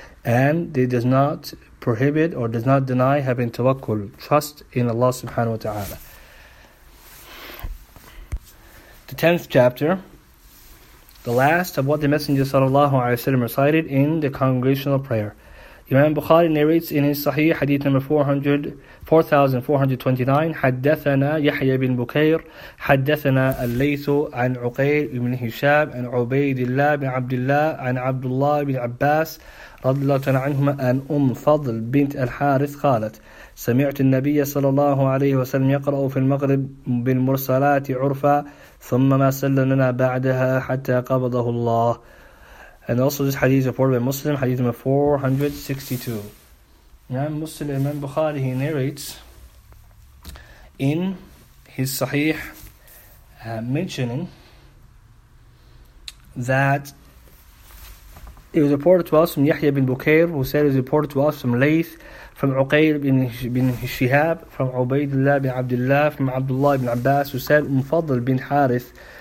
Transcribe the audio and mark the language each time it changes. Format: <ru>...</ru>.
<en>And it does not prohibit or does not deny having tawakkul, trust in Allah subhanahu wa ta'ala. The 10th chapter, the last of what the Messenger sallallahu alayhi wa sallam recited in the congregational prayer. Imam Bukhari narrates in his Sahih hadith number 4429,</en> <ar>حدثنا يحيى بن بكير حدثنا الليث عن عقيل بن هشام عن عبيد الله بن عبد الله عن عبد الله بن عباس رضي الله عنهما عن فضل بنت الحارث قالت سمعت النبي صلى الله عليه وسلم يقرأ في المغرب بالمرسلات عرفا ثم ما سلمنا بعدها حتى قبضه الله.</ar> <en>And also this hadith is reported by Muslim, hadith number 462. Imam Muslim, Imam Bukhari, he narrates in his Sahih, mentioning that it was reported to us from Yahya bin Bukair, who said it was reported to us from Layth, from Uqayr bin Shihab, from Ubaidullah bin Abdullah, from Abdullah bin Abbas, who said, Fadl bin Harith,</en>